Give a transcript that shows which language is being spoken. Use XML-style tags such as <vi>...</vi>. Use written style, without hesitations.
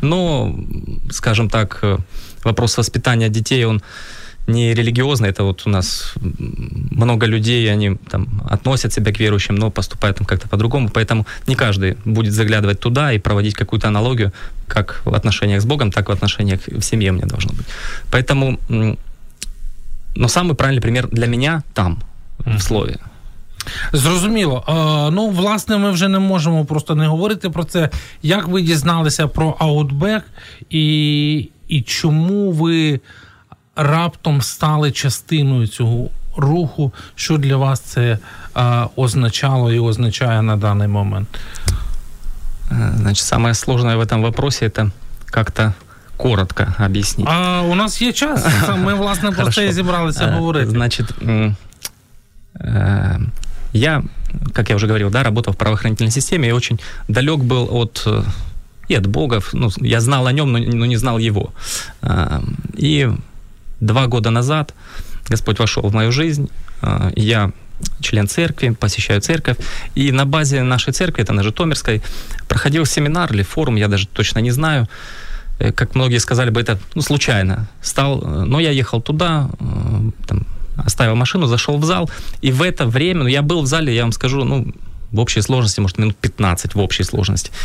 <ru>Но, скажем так, вопрос воспитания детей, он не религиозный, это вот у нас много людей, они там относят себя к верующим, но поступают там как-то по-другому, поэтому не каждый будет заглядывать туда и проводить какую-то аналогию как в отношениях с Богом, так и в отношениях в семье у меня должно быть. Поэтому, но самый правильный пример для меня там, в слове.</ru> <uk>Зрозуміло. Ну, власне, ми вже не можемо просто не говорити про це. Як ви дізналися про Outback і чому ви раптом стали частиною цього руху, що для вас це означало і означає на даний момент? Значить, саме складне в цьому вопросі – це як-то коротко об'яснити. А у нас є час, ми, власне, про це і зібралися говорити. Значить, я, як я вже говорив, да, працював в правоохоронній системі і дуже далек був від і від Бога. Ну, я знав о ньому, але не знав його. І два</uk> <ru>года назад Господь вошел в мою жизнь, я член церкви, посещаю церковь, и на базе нашей церкви, это на Житомирской, проходил семинар или форум, я даже точно не знаю, как многие сказали бы, это ну, случайно стал, но я ехал туда, там, оставил машину, зашел в зал, и в это время, ну я был в зале, я вам скажу, ну, в общей сложности, может, минут 15 в общей сложности.</ru>